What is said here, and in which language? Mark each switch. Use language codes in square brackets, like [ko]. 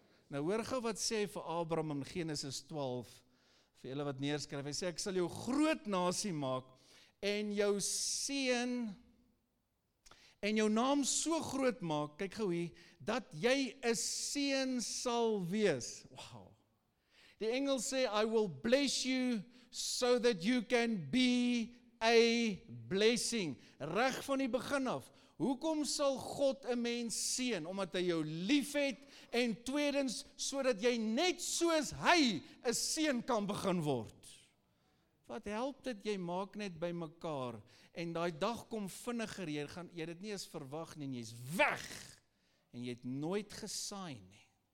[af] Nou hoor gou wat sê hy vir Abraham in Genesis 12, vir julle wat neerskryf, hy sê, ek sal jou groot nasie maak, en jou seën, en jou naam so groot maak, kyk gou hier, dat jy 'n seën sal wees. Wow. Die Engels sê, [en] I will bless you so that you can be a blessing. [af] Reg van die begin af. Hoekom sal God 'n mens seën? Omdat hy jou lief het, en tweedens, so dat jy net soos hy 'n seën kan begin word. Wat help dit, jy maak net by mekaar, en die dag kom vinniger, jy het nie eens verwag nie, en jy is weg, en jy het nooit gesaai nie.